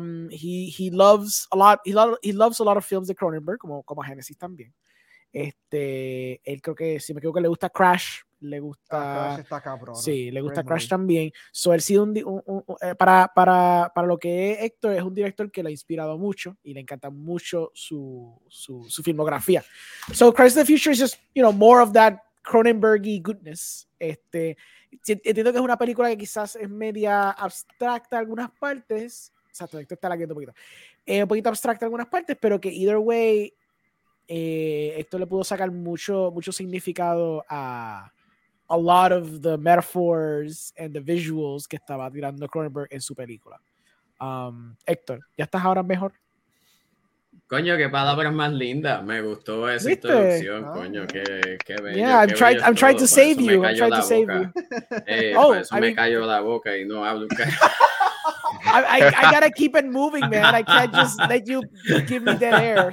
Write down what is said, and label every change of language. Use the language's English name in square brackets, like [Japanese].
[English] He loves a lot of films de Cronenberg, [Spanish] como Genesis también. Él creo que, si me equivoco, le gusta Crash, le gusta Crash, está cabrón, sí, le gusta Crash movie. También. So él ha sido para lo que es Héctor, es un director que le ha inspirado mucho y le encanta mucho su filmografía. [English] So Crash the Future is just, you know, more of that Cronenberg-y goodness. [Spanish] Entiendo que es una película que quizás es media abstracta en algunas partes. Exacto, esto está lagueando un poquito abstracto en algunas partes, pero que [English] either way [Spanish] esto le pudo sacar mucho significado a [English] a lot of the metaphors and the visuals [Spanish] que estaba tirando Cronenberg en su película. Héctor, ¿ya estás ahora mejor? Coño, qué palabras más lindas. Me gustó esa ¿viste? Introducción, ah, coño, qué bello. [English] Yeah, I'm trying to save you. I'm trying to save you. [Spanish] Oh, eso me cayó la boca y no hablo. [English] I gotta keep it moving, man. I can't just let you give me dead air.